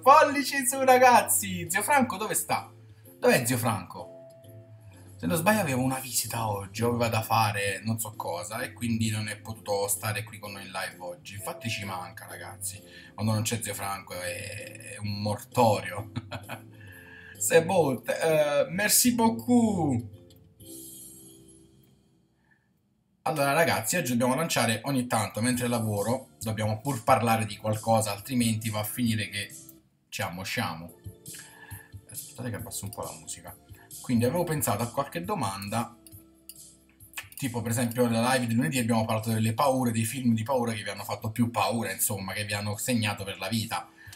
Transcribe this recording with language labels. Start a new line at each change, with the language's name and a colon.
Italian: Pollici in su, ragazzi! Zio Franco dove sta? Dov'è zio Franco? Se non sbaglio avevo una visita oggi, aveva da fare non so cosa e quindi non è potuto stare qui con noi in live oggi. Infatti ci manca, ragazzi, quando non c'è zio Franco è un mortorio.
French: C'est beau, merci beaucoup.
Italian: Allora ragazzi, oggi dobbiamo lanciare ogni tanto, mentre lavoro, dobbiamo pur parlare di qualcosa, altrimenti va a finire che ci ammosciamo. Aspettate che abbasso un po' la musica. Quindi avevo pensato a qualche domanda, tipo per esempio nella live di lunedì abbiamo parlato delle paure, dei film di paura che vi hanno fatto più paura, insomma, che vi hanno segnato per la vita.